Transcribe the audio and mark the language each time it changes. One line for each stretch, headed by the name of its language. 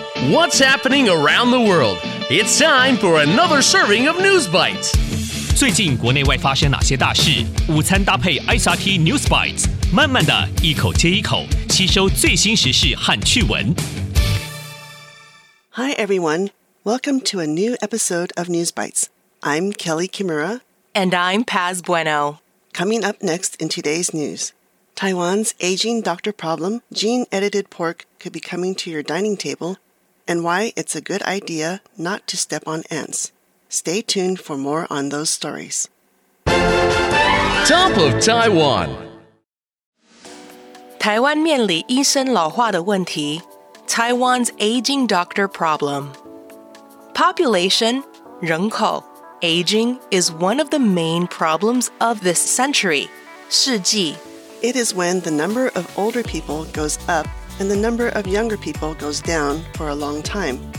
English: What's happening around the world? It's time for another serving of News Bites.
Chinese: 最近国内外发生哪些大事？午餐搭配 SRT News Bites， 慢慢的一口接一口，吸收最新时事和趣闻。
English: Hi everyone, welcome to a new episode of News Bites. I'm Kelly Kimura. And I'm Paz Bueno. Coming up next in today's news, Taiwan's aging doctor problem, gene-edited pork could be coming to your dining table, and why it's a good idea not to step on ants. Stay tuned for more on those stories. Top of Taiwan.
Chinese: 台湾面临医生老化的问题。
English: Taiwan's aging doctor problem. Population, 人口, aging is one of the main problems of this century, 世纪. It is when the number of older people goes up and the number of younger people goes down for a long time.